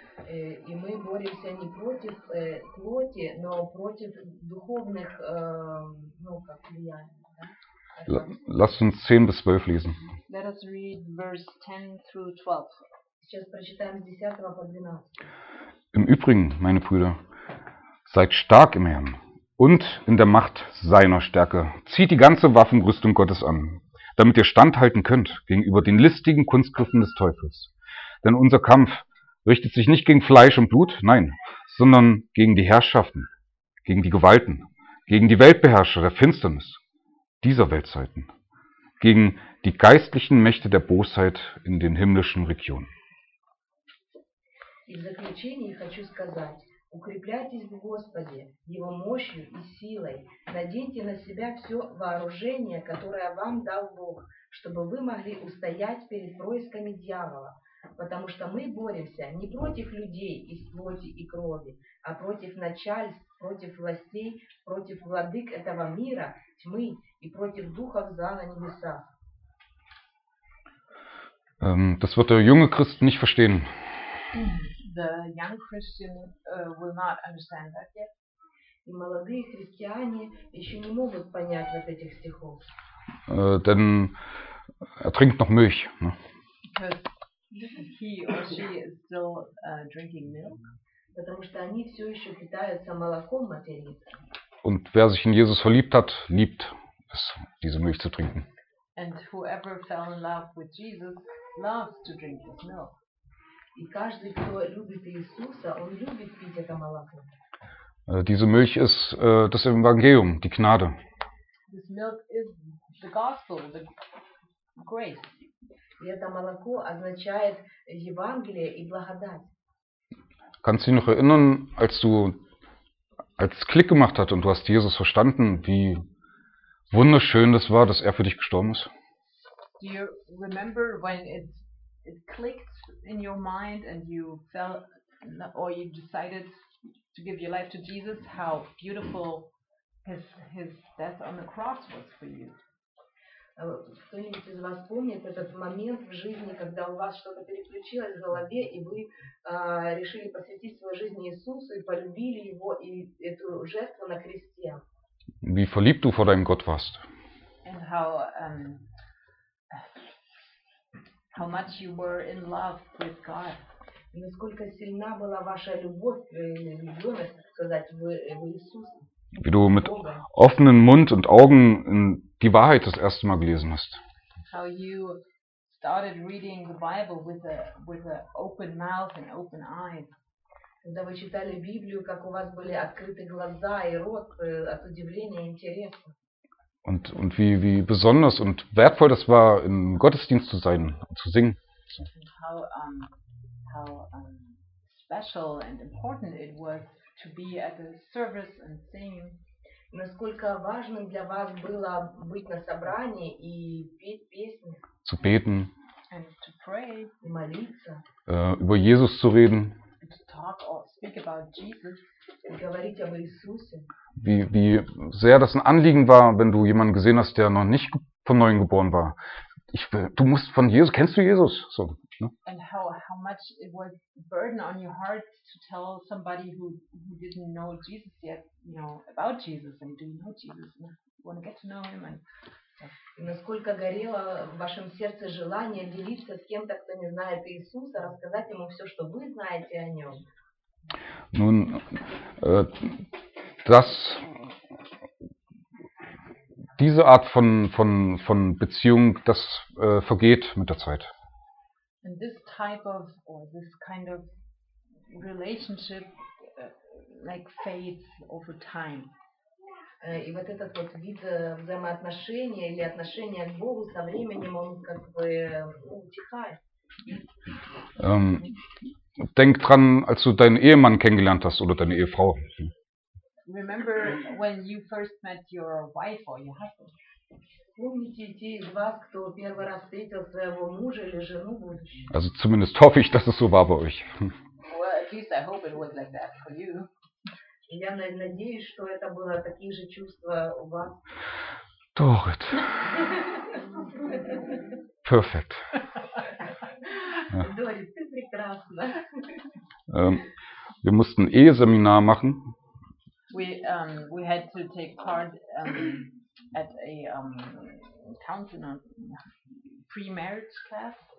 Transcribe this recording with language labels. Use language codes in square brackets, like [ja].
[ru] И мы боремся не против плоти, но против духовных, ну, как влияния. Да? [de] Lasst uns 10 bis 12 lesen. [en] Let us read verse 10 through 12. [ru] Сейчас прочитаем с 10 по 12. [de] Im Übrigen, meine Brüder, seid stark im Herrn und in der Macht seiner Stärke. Zieht die ganze Waffenrüstung Gottes an, damit ihr standhalten könnt gegenüber den listigen Kunstgriffen des Teufels. Denn unser Kampf richtet sich nicht gegen Fleisch und Blut, nein, sondern gegen die Herrschaften, gegen die Gewalten, gegen die Weltbeherrscher der Finsternis dieser Weltzeiten, gegen die geistlichen Mächte der Bosheit in den himmlischen Regionen. [ru] In заключение хочу сказать: укрепляйтесь в Господе, Его мощью и силой. Наденьте на себя все вооружение, которое вам дал Бог, чтобы вы могли устоять перед происками дьявола. Потому что мы боремся не против людей из плоти и крови, а против начальств, против властей, против владык этого мира, тьмы и против духов зла на небесах. [de] Das wird der junge Christ nicht verstehen. [en] The young Christian will not understand that yet. [ru] И молодые христиане еще не могут понять вот этих стихов. [de] Denn er trinkt noch Milch. Ne? [en] He or she is still drinking milk. [ru] Потому что они все еще питаются молоком материнским. [de] Und wer sich in Jesus verliebt hat, liebt es, diese Milch zu trinken. [en] And whoever fell in love with Jesus loves to drink his milk. [ru] И каждый, кто любит Иисуса, он любит пить это молоко. [de] Diese Milch ist das Evangelium, die Gnade. [en] This milk is the gospel, the grace. [ru] И это молоко означает Евангелие и благодать. [de] Kannst du dich noch erinnern, als du als Klick gemacht hat und du hast Jesus verstanden, wie wunderschön das war, dass er für dich gestorben ist? [en] Do you remember when it clicked in your mind and you felt or you decided to give your life to Jesus, how beautiful his death on the cross was for you? [ru] Кто-нибудь из вас помнит этот момент в жизни, когда у вас что-то переключилось в голове, и вы решили посвятить свою жизнь Иисусу и полюбили его и эту жертву на кресте? [de] Wie verliebt du vor deinem Gott warst. [en] And how how much you were in love with God. [ru] И насколько сильна была ваша любовь, влюбленность, так сказать, в Иисуса. [de] Wie du mit offenem Mund und Augen die Wahrheit das erste Mal gelesen hast. [en] How you started reading the Bible with a open mouth and open eyes. [ru] Когда вы читали Библию, как у вас были открыты глаза и рот от удивления и интереса. [de] Und wie besonders und wertvoll das war, im Gottesdienst zu sein und zu singen. [en] And how special and important it was to be at the service and sing. [ru] Насколько важным для вас было быть на собрании и петь песни. [de] Zu beten. [en] And to pray. [ru] И молиться. [de] Über Jesus zu reden. [en] And to talk or speak about Jesus. [ru] И говорить об Иисусе. [de] Wie sehr das ein Anliegen war, wenn du jemanden gesehen hast, der noch nicht von neuem geboren war. Du musst von Jesus, kennst du Jesus? So, ne? [en] And how much it was burden on your heart to tell somebody who didn't know Jesus yet, you know, about Jesus and do you know Jesus? And you want to get to know him and [ru] И насколько горело в вашем сердце желание делиться с кем-то, кто не знает Иисуса, рассказать ему все, что вы знаете о нем. [de] Nun, das, diese Art von Beziehung, das vergeht mit der Zeit. [en] And this type of, or this kind of relationship, like fades over time. [ru] И вот этот вот вид взаимоотношения или отношения к Богу со временем, он как бы утихает. [de] Denk dran, als du deinen Ehemann kennengelernt hast oder deine Ehefrau. [en] Remember when you first met your wife or your husband. [ru] Помните те из вас, кто первый раз встретил своего мужа или жену в будущем? [de] Also zumindest hoffe ich, dass es so war bei euch. [en] Well, at least I hope it was like that for you. [ru] Я надеюсь, что это было такие же чувства у вас. [de] Dorit. [en] Perfect. [ru] Dorit, ты прекрасна. [de] Wir mussten Eheseminar machen. [en] We had to take part at a counseling pre-marriage class.